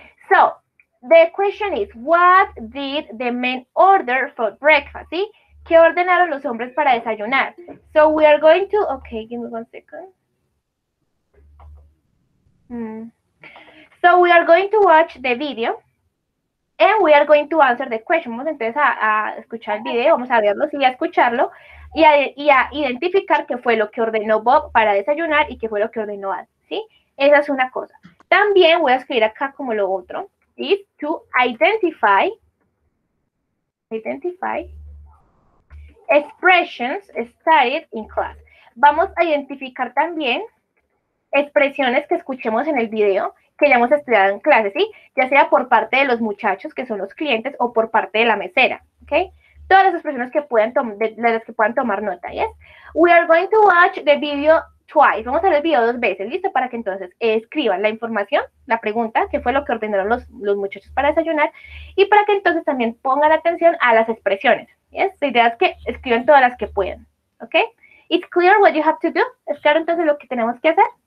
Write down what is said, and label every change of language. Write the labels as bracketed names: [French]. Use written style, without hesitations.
[English] So, the question is, what did the men order for breakfast? ¿Sí? ¿Qué ordenaron los hombres para desayunar? So we are going to, okay, give me 1 second. So we are going to watch the video. And we are going to answer the question. [Spanish] Vamos entonces a escuchar el video, vamos a verlo, sí, a escucharlo y a identificar qué fue lo que ordenó Bob para desayunar y qué fue lo que ordenó Ann, ¿sí? Esa es una cosa. También voy a escribir acá como lo otro, ¿sí? To identify, expressions studied in class. Vamos a identificar también expresiones que escuchemos en el video que ya hemos estudiado en clase, ¿sí? Ya sea por parte de los muchachos, que son los clientes, o por parte de la mesera, ¿ok? Todas las expresiones que puedan tomar nota, ¿sí? [English] We are going to watch the video twice. [Spanish] Vamos a ver el video dos veces, ¿listo? Para que entonces escriban la información, la pregunta, qué fue lo que ordenaron los muchachos para desayunar, y para que entonces también pongan atención a las expresiones, ¿sí? La idea es que escriban todas las que puedan, ¿ok? It's clear what you have to do. ¿Es claro entonces lo que tenemos que hacer?